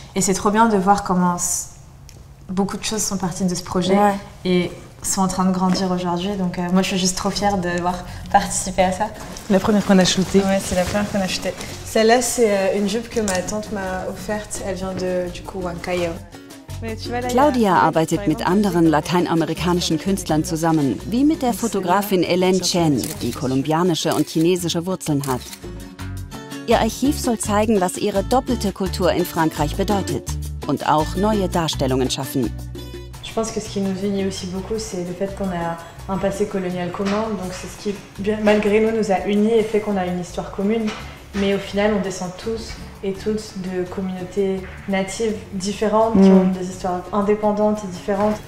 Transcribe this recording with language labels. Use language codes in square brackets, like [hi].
[fr] Et c'est trop bien de voir comment beaucoup de choses sont parties de ce projet. Ouais. Et sont en train de grandir aujourd'hui, donc moi je suis juste trop fière d'avoir participé à ça. La première qu'on a shootée. Ouais, c'est la première qu'on a shootée. Celle-là, c'est une jupe que ma tante m'a offerte, elle vient de, du coup, Huancayo. [de] Claudia arbeitet mit anderen lateinamerikanischen Künstlern zusammen, wie mit der Fotografin Hélène Chen, die kolumbianische und chinesische Wurzeln hat. Ihr Archiv soll zeigen, was ihre doppelte Kultur in Frankreich bedeutet und auch neue Darstellungen schaffen. [fr] Je pense que ce qui nous unit aussi beaucoup, c'est le fait qu'on a un passé colonial commun. Donc c'est ce qui, malgré nous, nous a unis et fait qu'on a une histoire commune. Mais au final, on descend tous et toutes de communautés natives différentes, qui ont des histoires indépendantes et différentes.